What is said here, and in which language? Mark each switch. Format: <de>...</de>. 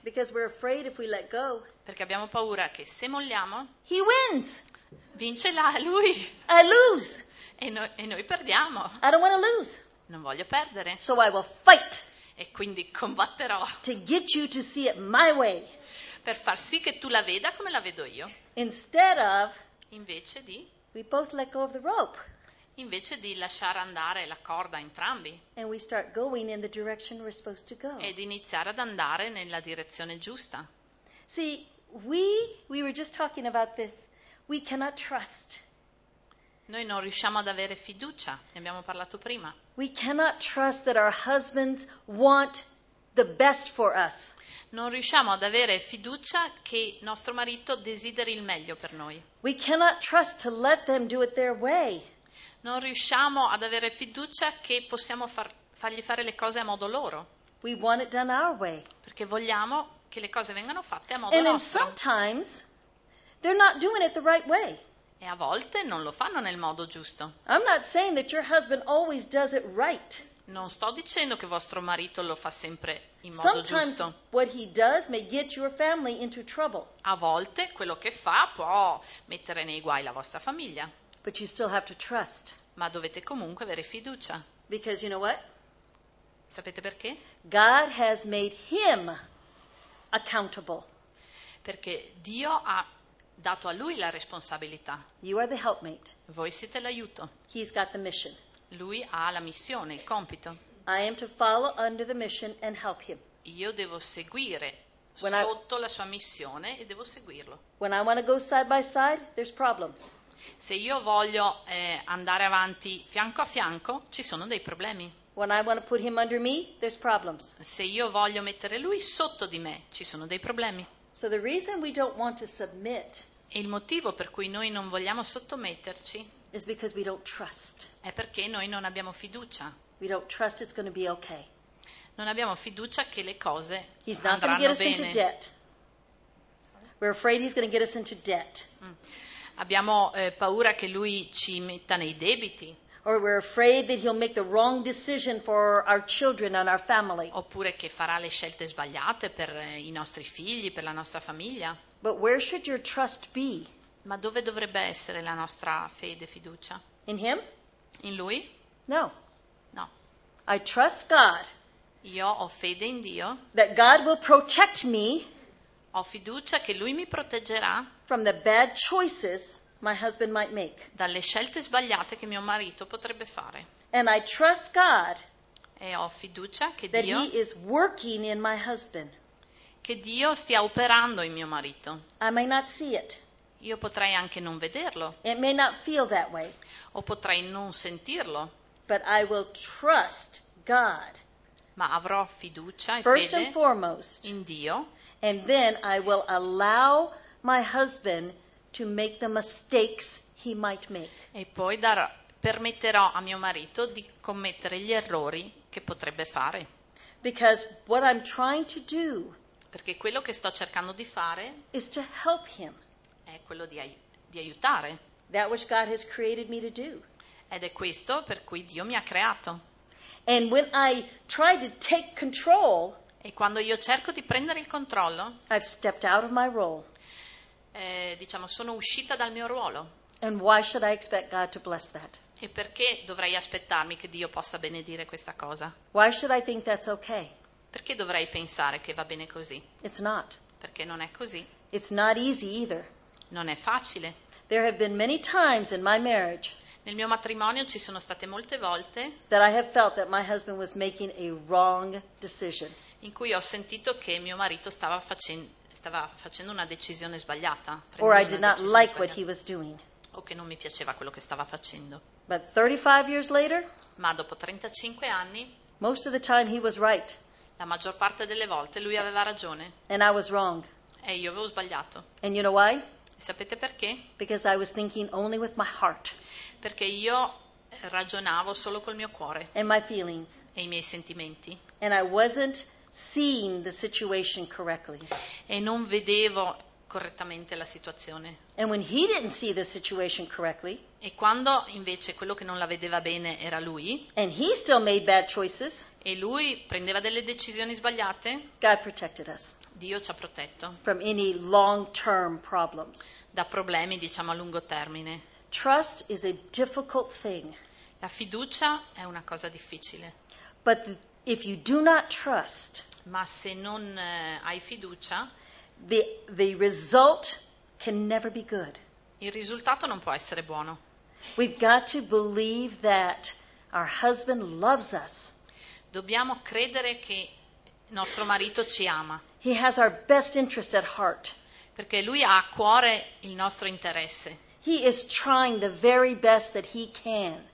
<en>Because we're afraid if we let go.</en> <it>Perché abbiamo paura che se molliamo.</it> <en>He wins.</en> <it>Vince là lui.</it> <en>I lose.</en> <it>E noi perdiamo.</it> <en>I don't want to lose.</en> <it>Non voglio perdere.</it> <en>So I will fight.</en> <it>E quindi combatterò.</it> <en>To get you to see it my way.</en> <it>Per far sì che tu la veda come la vedo io.</it> <en>Instead of.</en> <it>Invece di.</it> <en>We both let go of the rope.</en> <it>Invece di lasciare andare la corda entrambi.</it> <en>And we start going in the direction we're supposed to go.</en> <it>Ed iniziare ad andare nella direzione giusta.</it> <en>See, we were just talking about this. We cannot trust.</en> <it>Noi non riusciamo ad avere fiducia, ne abbiamo parlato prima.</it> <en>We cannot trust that our husbands want the best for us.</en> <it>Non riusciamo ad avere fiducia che nostro marito desideri il meglio per noi.</it> <en>We cannot trust to let them do it their way.</en> <it>Non riusciamo ad avere fiducia che possiamo fargli fare le cose a modo loro.</it> <en>We want it done our way.</en> <it>Perché vogliamo che le cose vengano fatte a modo</it> <en>and</en> <it>nostro.</it> <en>And sometimes they're not doing it the right way.</en> <it>E a volte non lo fanno nel modo giusto.</it> <en>I'm not saying that your husband always does it right.</en> <it>Non sto dicendo che vostro marito lo fa sempre in modo</it> <en>sometimes</en> <it>giusto.</it> <en>Sometimes what he does may get your family into trouble.</en> <it>A volte quello che fa può mettere nei guai la vostra famiglia.</it> <en>But you still have to trust.</en> <it>Ma dovete comunque avere fiducia.</it> <en>Because you know what?</en> <it>Sapete perché?</it> <en>God has made him accountable.</en> <it>Perché Dio ha dato a lui la responsabilità.</it> <en>You are the helpmate.</en> <it>Voi siete l'aiuto.</it> <en>He's got the mission.</en> <it>Lui ha la missione, il compito.</it> <en>I am to follow under the mission and help him.</en> <it>Io devo seguire when sotto la sua missione e devo seguirlo.</it> <en>When I want to go side by side, there's problems.</en> <it>Se io voglio andare avanti fianco a fianco, ci sono dei problemi.</it> <en>When I want to put him under me, there's problems.</en> <it>Se io voglio mettere lui sotto di me, ci sono dei problemi.</it> <en>So the reason we don't want to submit.</en> <it>Il motivo per cui noi non vogliamo sottometterci.</it> <en>Is because we don't trust.</en> <it>È perché noi non abbiamo fiducia.</it> <en>We don't trust it's going to be okay.</en> <it>Non abbiamo fiducia che le cose</it> <en>he's</en> <it>andranno</it> <en>not gonna get</en> <it>bene.</it> <en>Us into debt. We're afraid he's going to get us into debt.</en> <it>Abbiamo paura che lui ci metta nei debiti.</it> <en>Or we're afraid that he'll make the wrong decision for our children and our family.</en> <it>Oppure che farà le scelte sbagliate per i nostri figli, per la nostra famiglia.</it> <en>But where should your trust be?</en> <it>Ma dove dovrebbe essere la nostra fede, fiducia?</it> <en>In him?</en> <it>In lui?</it> <en>No.</en> <it>No.</it> <en>I trust God.</en> <it>Io ho fede in Dio.</it> <en>That God will protect me.</en> <it>Ho fiducia che lui mi proteggerà.</it> <en>From the bad choices. my husband might make.</en> <it>Dalle scelte sbagliate che mio marito potrebbe fare.</it> <en>And I trust God.</en> <it>E ho fiducia che</it> <en>that</en> <it>Dio</it> <en>he is working in my husband.</en> <it>Che Dio stia operando in mio marito.</it> <en>I may not see it.</en> <it>Io potrei anche non vederlo.</it> <en>It may not feel that way.</en> <it>O potrei non sentirlo.</it> <en>But I will trust God.</en> <it>Ma avrò fiducia e</it> <en>first</en> <it>fede</it> <en>and foremost,</en> <it>in Dio.</it> <en>And then I will allow my husband to make the mistakes he might make.</en> <it>E poi permetterò a mio marito di commettere gli errori che potrebbe fare.</it> <en>Because what I'm trying to do,</en> <it>perché quello che sto cercando di fare,</it> <en>is to help him.</en> <it>È quello di aiutare.</it> <en>That which God has created me to do.</en> <it>Ed è questo per cui Dio mi ha creato.</it> <en>And when I try to take control,</en> <it>e quando io cerco di prendere il controllo,</it> <en>I've stepped out of my role.</en> <it>Diciamo, sono uscita dal mio ruolo.</it> <en>And why should I expect God to bless that?</en> <it>E perché dovrei aspettarmi che Dio possa benedire questa cosa?</it> <en>Why should I think that's okay?</en> <it>Perché dovrei pensare che va bene così?</it> <en>It's not.</en> <it>Perché non è così.</it> <en>It's not easy either.</en> <it>Non è facile.</it> <en>There have been many times in my marriage.</en> <it>Nel mio matrimonio ci sono state molte volte</it> <en>that I have felt that my husband was making a wrong decision.</en> <it>In cui ho sentito che mio marito stava facendo una decisione sbagliata.</it> <en>Or I did not like what he was doing.</en> <it>O che non mi piaceva quello che stava facendo.</it> <en>But 35 years later,</en> <it>ma dopo 35 anni,</it> <en>most of the time he was right.</en> <it>La maggior parte delle volte lui aveva ragione.</it> <en>And I was wrong.</en> <it>E io avevo sbagliato.</it> <en>And you know why?</en> <it>E sapete perché?</it> <en>Because I was thinking only with my heart.</en> <it>Perché io ragionavo solo col mio cuore.</it> <en>And my feelings.</en> <it>E i miei sentimenti.</it> <en>And I wasn't seeing the situation correctly.</en> <it>E non vedevo correttamente la situazione.</it> <en>And when he didn't see the situation correctly,</en> <it>e quando invece quello che non la vedeva bene era lui,</it> <en>and he still made bad choices,</en> <it>e lui prendeva delle decisioni sbagliate,</it> <en>God protected us.</en> <it>Dio ci ha protetto</it> <en>from any long-term problems.</en> <it>Da problemi, diciamo, a lungo termine.</it> <en>Trust is a difficult thing.</en> <it>La fiducia è una cosa difficile.</it> <en>But if you do not trust,</en> <it>ma se non hai fiducia,</it> <en>The result can never be good.</en> <it>Il risultato non può essere buono.</it> <en>We've got to believe that our husband loves us.</en> <it>Dobbiamo credere che nostro marito ci ama.</it> <en>He has our best interest at heart.</en> <it>Perché lui ha a cuore il nostro interesse.</it> <en>He is trying the very best that he can.</en>